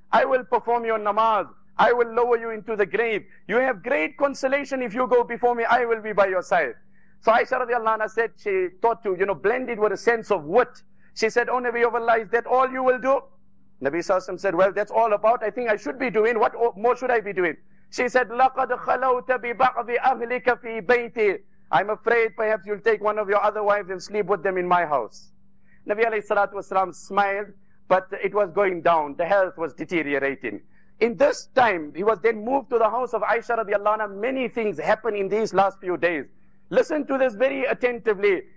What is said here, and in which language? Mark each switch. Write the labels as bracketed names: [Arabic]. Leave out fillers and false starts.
[English] I will perform your namaz. I will lower you into the grave. You have great consolation if you go before me. I will be by your side. So Aisha radiallahu anha said, she thought to, you know, blend it with a sense of wit. She said, oh Nabi of Allah, is that all you will do? Nabi Sallallahu Alaihi Wasallam said, well, that's all about. I think I should be doing. What more should I be doing? She said, [Arabic] لَقَدْ خَلَوْتَ بِبَعْضِ أَهْلِكَ فِي بَيْتِي. [English] I'm afraid perhaps you'll take one of your other wives and sleep with them in my house. Nabi alayhi salatu wasalam smiled, but it was going down. The health was deteriorating. In this time, he was then moved to the house of Aisha radiallahu anha. Many things happened in these last few days. Listen to this very attentively.